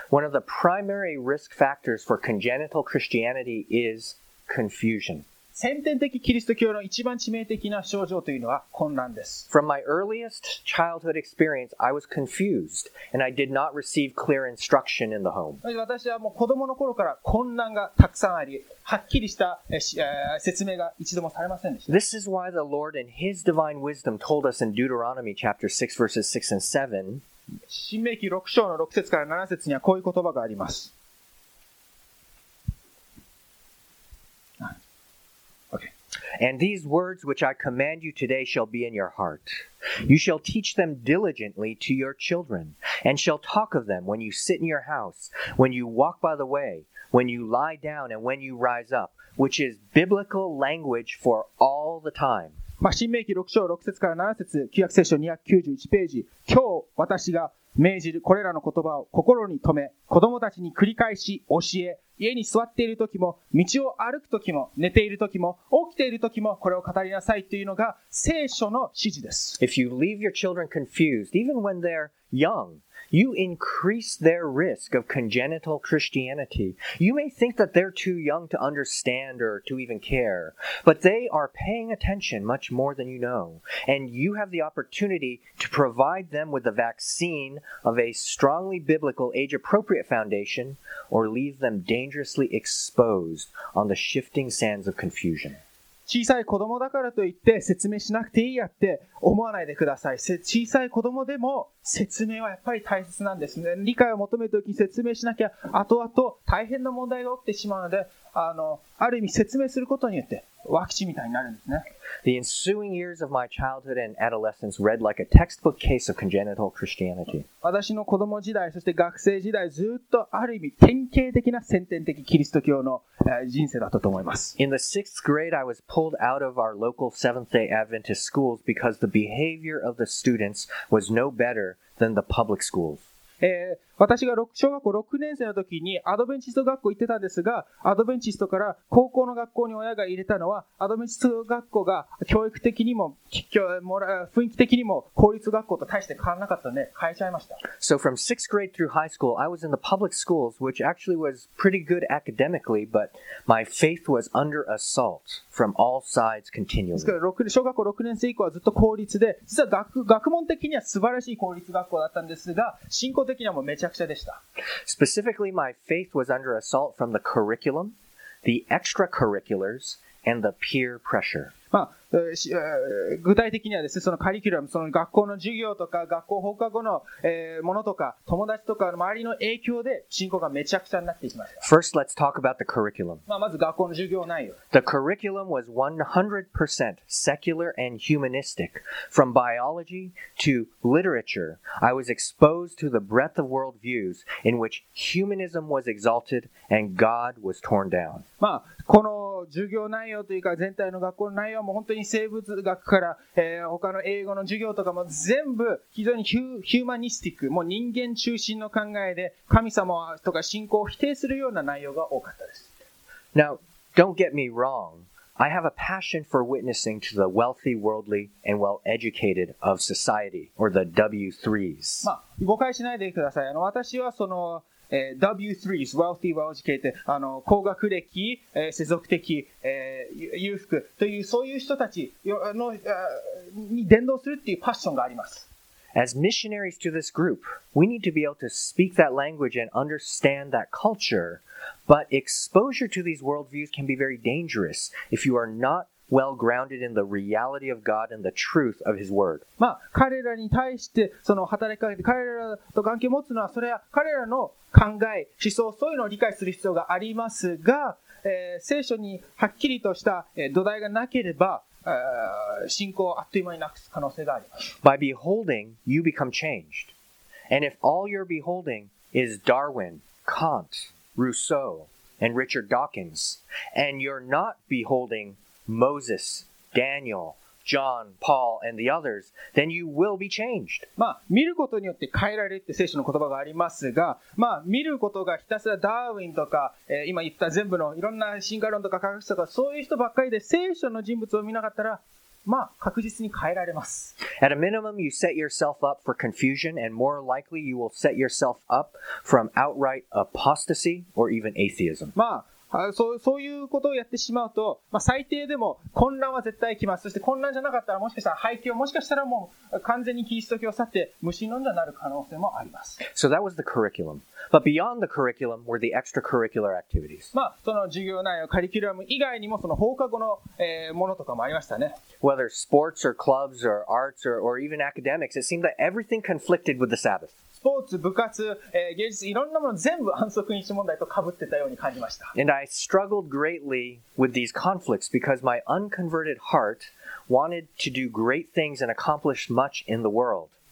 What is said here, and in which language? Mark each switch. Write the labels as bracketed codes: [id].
[en] One of the primary risk factors for congenital Christianity is confusion. [ja] 先天的キリスト教の一番致命的な症状というのは混乱です。 [en] From my earliest childhood experience, I was confused and I did not receive clear instruction in the home. [ja] 私はもう子供の頃から混乱がたくさんあり、はっきりした説明が一度もされませんでした。 [en] This is why the Lord in His divine wisdom told us in Deuteronomy chapter 6 verses 6 and 7. [ja] 新明記6章の6節から7節にはこういう言葉があります。 [en] And these words which I command you today shall be in your heart. You shall teach them diligently to your children, and shall talk of them when you sit in your house, when you walk by the way, when you lie down, and when you rise up, which is biblical language for all the time. [ja] まあ、新明記6章6節から7節、旧約聖書291ページ。今日私が命じるこれらの言葉を心に留め、子供たちに繰り返し教え、家に座っている時も、道を歩く時も、寝ている時も、起きている時も、これを語りなさいというのが聖書の指示です。 [en] If you leave your children confused, even when they're young, you increase their risk of congenital Christianity. You may think that they're too young to understand or to even care, but they are paying attention much more than you know, and you have the opportunity to provide them with the vaccine of a strongly biblical, age-appropriate foundation, or leave them dangerously exposed on the shifting sands of confusion. [ja] 小さい子供だからといって説明しなくていいやって思わないでください。小さい子供でも説明はやっぱり大切なんですね。理解を求めるときに説明しなきゃ後々大変な問題が起きてしまうので、ある意味説明することによって湧き地みたいになるんですね。 [en] The ensuing years of my childhood and adolescence read like a textbook case of congenital Christianity. [ja] 私の子供時代、そして学生時代、ずっとある意味典型的な先天的キリスト教の、人生だったと思います。 [en] In the sixth grade, I was pulled out of our local Seventh-day Adventist schools because the behavior of the students was no better than the public schools. [ja] 私が小学校6年生の時にアドベンチスト学校行ってたんですが、アドベンチストから高校の学校に親が入れたのは、アドベンチスト学校が教育的にも、雰囲気的にも公立学校と大して変わらなかったので変えちゃいました。 [en] So from 6th grade through high school, I was in the public schools, which actually was pretty good academically, but my faith was under assault from all sides continually. [ja] ですから小学校6年生以降はずっと公立で、実は 学問的には素晴らしい公立学校だったんですが、信仰的にはもうめちゃくちゃでした。 [en] Specifically, my faith was under assault from the curriculum, the extracurriculars, and the peer pressure. [ja] まあ、具体的にはですね、そのカリキュラム、その学校の授業とか、学校放課後の、ものとか、友達とか、周りの影響で、信仰がめちゃくちゃになっていきました。 [en] First, let's talk about the curriculum. [ja] まあ、まず学校の授業内容。 [en] The curriculum was 100% secular and humanistic. From biology to literature, I was exposed to the breadth of worldviews in which humanism was exalted and God was torn down. [ja] まあ、この授業内容というか、全体の学校の内容も本当に生物学から、他の英語の授業とかも全部非常にヒューマニスティック、もう人間中心の考えで神様とか信仰を否定するような内容が多かったです。 [en] Now, don't get me wrong. I have a passion for witnessing to the wealthy, worldly, and well-educated of society, or the W3s. [ja] まあ、誤解しないでください。私はその、 [en] W3s, wealthy, well educated, [ja] 高学歴、世俗的、裕福という、そういう人たちの、に伝道するっていうパッションがあります。 [en] As missionaries to this group, we need to be able to speak that language and understand that culture, but exposure to these worldviews can be very dangerous if you are not well grounded in the reality of God and the truth of His Word. [ja] まあ、彼らに対してその働きかけて、彼らと関係を持つのは、それは彼らの考え、思想、そういうのを理解する必要がありますが、聖書にはっきりとした、土台がなければ、信仰をあっという間になくす可能性があります。 [en] By beholding, you become changed. And if all you're beholding is Darwin, Kant, Rousseau, and Richard Dawkins, and you're not beholding Moses, Daniel, John, Paul, and the others, then you will be changed. [ja] まあ、見ることによって変えられるって聖書の言葉がありますが、まあ、見ることがひたすらダーウィンとか、今言った全部のいろんな進化論とか科学者とか、そういう人ばっかりで聖書の人物を見なかったら、まあ、確実に変えられます。 [en] At a minimum, you set yourself up for confusion, and more likely, you will set yourself up from outright apostasy or even atheism. [ja] まあ、そういうことをやってしまうと、まあ、最低でも混乱は絶対来ます。そして混乱じゃなかったら、もしかしたら廃墟、もしかしたらもう完全にキリスト教を去って無神論者になる可能性もあります。 [en] So that was the curriculum. But beyond the curriculum were the extracurricular activities. [ja] まあ、その授業内容、カリキュラム以外にもその放課後の、ものとかもありましたね。 [en] Whether sports or clubs or arts or even academics, it seemed that everything conflicted with the Sabbath. [ja] スポーツ、部活、芸術、いろんなもの全部安息日問題と被ってたように感じました。 [en] And I struggled greatly with these conflicts because my unconverted heart wanted to do great things and accomplish much in the world.